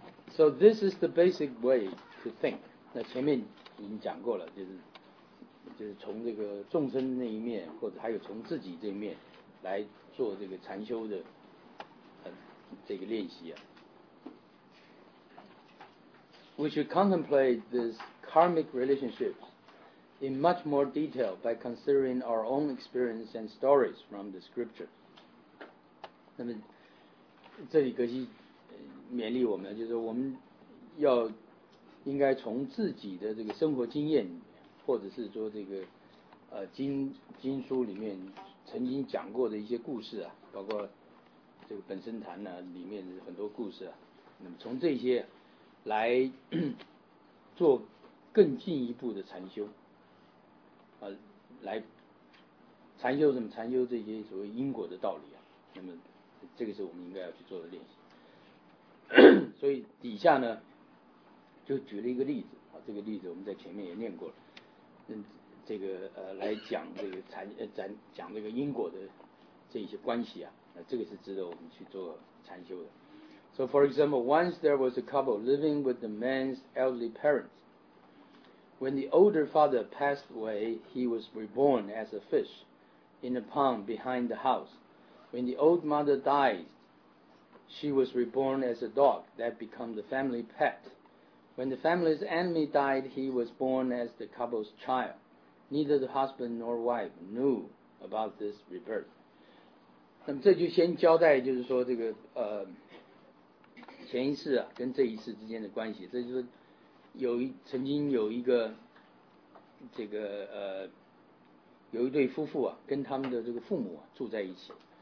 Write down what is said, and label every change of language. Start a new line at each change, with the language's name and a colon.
English: So this is the basic way to think.
Chinese: 那前面已经讲过了，就是从这个众生那一面，或者还有从自己这一面来做这个禅修的这个练习啊。
English: We should contemplate this karmic relationship in much more detail by considering our own experience and stories from the scripture.
Chinese: 那么这里格西勉励我们，就是我们要应该从自己的这个生活经验，或者是说这个经书里面曾经讲过的一些故事啊，包括这个本生坛呢、啊、里面很多故事啊，那么从这些来做更进一步的禅修啊、来禅修什么？禅修这些所谓因果的道理啊，那么这个是我们应该要去做的练习。所以底下呢就举了一个例子啊，这个例子我们在前面也念过了，这个来讲这个讲这个因果的这些关系啊，那这个是值得我们去做禅修的。
English: So for example, once there was a couple living with the man's elderly parents. When the older father passed away, he was reborn as a fish in a pond behind the house. When the old mother died, she was reborn as a dog that became the family pet. When the family's enemy died, he was born as the couple's child. Neither the husband nor wife knew about this rebirth.
Chinese: 那么这就先交代，就是说这个前一世啊跟这一世之间的关系。这就是有一对夫妇啊跟他们的这个父母、啊、住在一起。